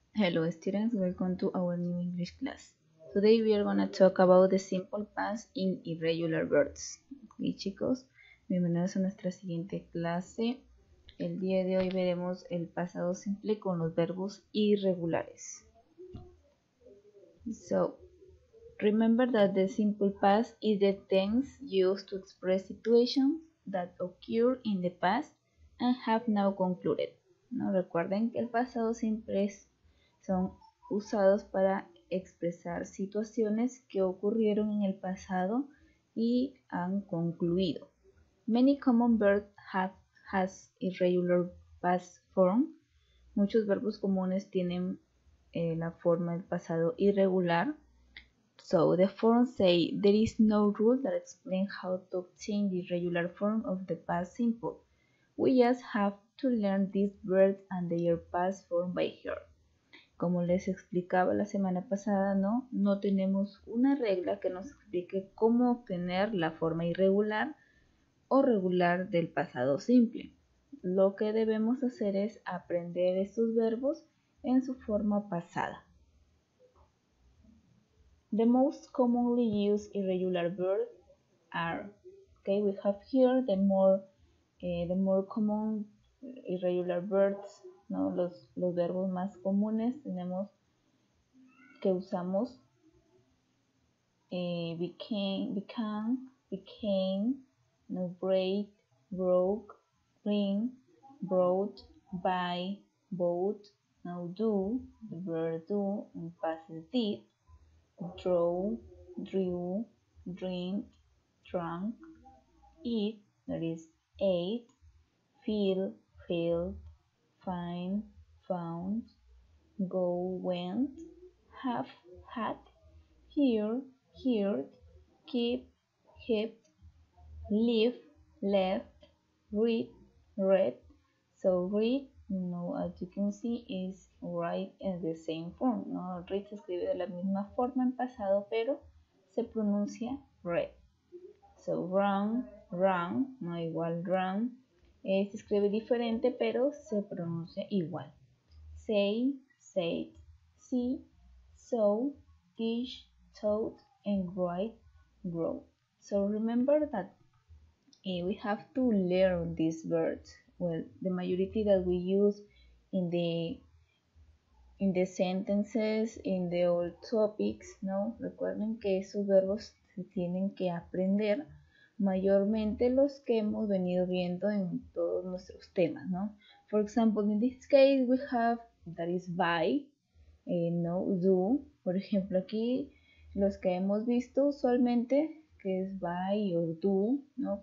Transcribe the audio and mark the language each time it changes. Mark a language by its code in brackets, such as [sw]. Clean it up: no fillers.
[en] Hello students, welcome to our new English class. Today we are going to talk about the simple past in irregular verbs. [es] Okay, chicos, bienvenidos a nuestra siguiente clase. El día de hoy veremos el pasado simple con los verbos irregulares. [en] So, remember that the simple past is the tense used to express situations that occurred in the past and have now concluded. [es] No, recuerden que el pasado simple es son usados para expresar situaciones que ocurrieron en el pasado y han concluido. [en] Many common verbs have has irregular past form. [es] Muchos verbos comunes tienen la forma del pasado irregular. [en] So the form say there is no rule that explains how to obtain the irregular form of the past simple. We just have to learn this verb and their past form by heart. [es] Como les explicaba la semana pasada, no tenemos una regla que nos explique cómo obtener la forma irregular o regular del pasado simple. Lo que debemos hacer es aprender estos verbos en su forma pasada. [en] The most commonly used irregular verbs are, okay, we have here the more common irregular verbs. [es] No, los verbos más comunes tenemos que usamos [en] became, no, break, broke, bring, brought, buy, bought, now do, the verb do, and past did, draw, drew, drink, drunk, eat, that is ate, feel, failed, find, found, go, went, have, had, hear, heard, keep, kept, leave, left, read, read. So read, as you can see, is write in the same form. [es] No, read se escribe de la misma forma en pasado, pero se pronuncia read. So run, no, igual run. Se escribe diferente, pero se pronuncia igual. [en] Say, said, see, saw, teach, taught, and write, grow. So remember that we have to learn these words. Well, the majority that we use in the sentences, in the old topics, ¿no? [es] Recuerden que esos verbos se tienen que aprender. Mayormente los que hemos venido viendo en todos nuestros temas, ¿no? [en] For example, in this case we have that is buy, no, do. [es] Por ejemplo, aquí los que hemos visto usualmente que es buy o do, ¿no?